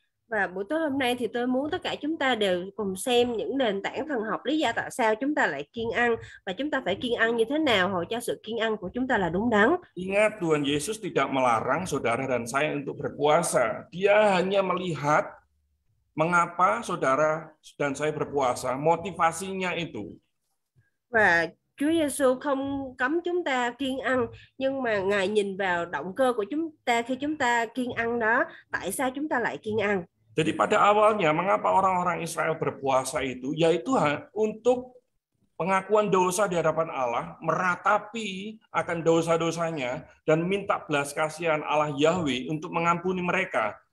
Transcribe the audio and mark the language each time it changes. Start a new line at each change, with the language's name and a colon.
Vietnamese: Và buổi tối hôm nay thì tôi muốn tất cả chúng ta đều cùng xem những nền tảng thần học, lý do tại sao chúng ta lại kiêng ăn và chúng ta phải kiêng ăn như thế nào hồi cho sự kiêng ăn của chúng ta là đúng đắn.
Indonesian: Ingat, Tuhan Yesus tidak melarang saudara dan saya untuk berpuasa. Dia hanya melihat mengapa saudara dan saya berpuasa, motivasinya itu.
Vietnamese: Và Chúa Giêsu không cấm chúng ta kiêng ăn, nhưng mà Ngài nhìn vào động cơ của chúng ta khi chúng ta kiêng ăn đó, tại sao chúng ta lại kiêng ăn.
Indonesian: Jadi pada awalnya mengapa orang-orang Israel berpuasa itu, yaitu untuk pengakuan dosa di hadapan Allah, meratapi akan dosa-dosanya dan minta belas kasihan Allah Yahweh untuk mengampuni mereka.